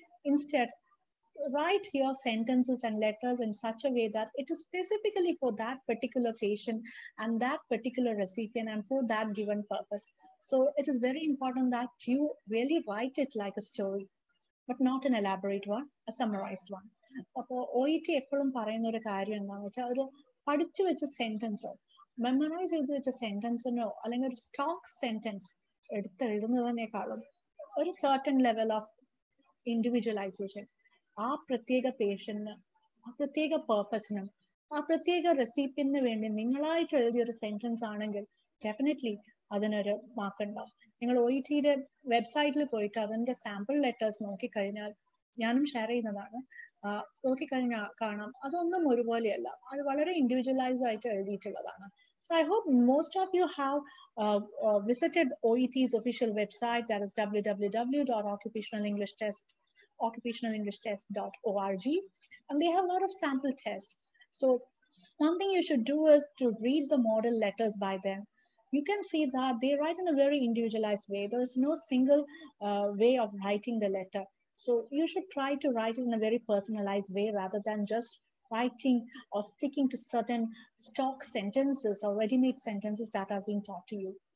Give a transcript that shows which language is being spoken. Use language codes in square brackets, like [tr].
[en] Instead, write your sentences and letters in such a way that it is specifically for that particular patient and that particular recipient and for that given purpose. So it is very important that you really write it like a story. But not an elaborate one, a summarized one. [ml] അപ്പോൾ O E T എപ്പോഴും പറയുന്ന ഒരു കാര്യം എന്താണെന്ന് വെച്ചാൽ, ഒരു പഠിച്ചു വെച്ച സെൻറ്റൻസോ മെമ്മറൈസ് ചെയ്ത് വെച്ച സെൻറ്റൻസിനോ അല്ലെങ്കിൽ ഒരു സ്റ്റോക്ക് സെൻറ്റൻസ് എടുത്തെഴുതുന്നതിനേക്കാളും ഒരു സർട്ടൻ ലെവൽ ഓഫ് ഇൻഡിവിജ്വലൈസേഷൻ ആ പ്രത്യേക പേഷ്യന്റിന്, ആ പ്രത്യേക പേർപ്പസിനും, ആ പ്രത്യേക റെസിപ്പിയന്റിന് വേണ്ടി നിങ്ങളായിട്ട് എഴുതിയ ഒരു സെൻറ്റൻസ് ആണെങ്കിൽ ഡെഫിനറ്റ്ലി അതിനൊരു മാർക്കുണ്ടാവും. നിങ്ങൾ ഒ ഇ ടിയുടെ വെബ്സൈറ്റിൽ പോയിട്ട് അതിൻ്റെ സാമ്പിൾ ലെറ്റേഴ്സ് നോക്കിക്കഴിഞ്ഞാൽ, ഞാനും ഷെയർ ചെയ്യുന്നതാണ്, നോക്കിക്കഴിഞ്ഞാൽ കാണാം അതൊന്നും ഒരുപോലെയല്ല, അത് വളരെ ഇൻഡിവിജ്വലൈസ്ഡ് ആയിട്ട് എഴുതിയിട്ടുള്ളതാണ്. [en] So I hope most of you have visited O E T's official website, that is www.occupationalenglishtest.org occupationalenglishtest.org, and they have a lot of sample tests. So one thing you should do is to read the model letters by them. You can see that they write in a very individualized way. There is no single way of writing the letter. So you should try to write it in a very personalized way rather than just writing or sticking to certain stock sentences or ready-made sentences that have been taught to you.